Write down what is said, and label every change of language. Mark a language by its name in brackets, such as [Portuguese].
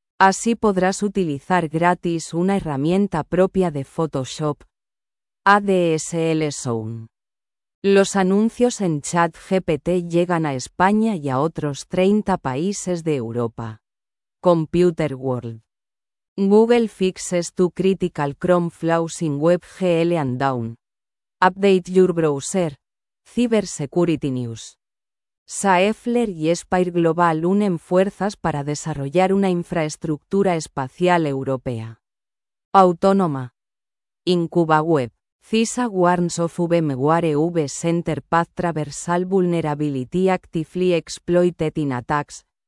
[Spanish] Así podrás utilizar gratis una herramienta propia de Photoshop. ADSL Zone. Los anuncios en ChatGPT llegan a España y a otros 30 países de Europa. Computer World. [English] Google fixes two critical Chrome flaws in WebGL and down. Update your browser. Cyber Security News. [Spanish] Saefler y Spire Global unen fuerzas para desarrollar una infraestructura espacial europea. [English] Autónoma. IncubaWeb. CISA warns of VMware V Center Path Traversal Vulnerability actively exploited in attacks.